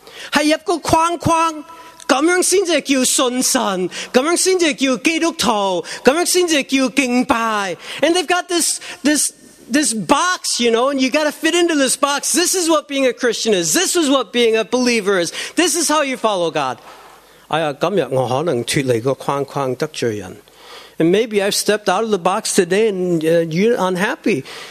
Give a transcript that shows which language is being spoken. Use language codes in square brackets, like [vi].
[yue] 系入个框框，咁样先至叫信神，咁样先至叫基督徒，咁样先至叫敬拜。 [en] And they've got this box, you know, and you got to fit into this box. This is what being a Christian is. This is what being a believer is. This is how you follow God. [yue] 哎呀，今日我可能脱离个框框得罪人 [en] ，and maybe I've stepped out of the box today, and you're unhappy.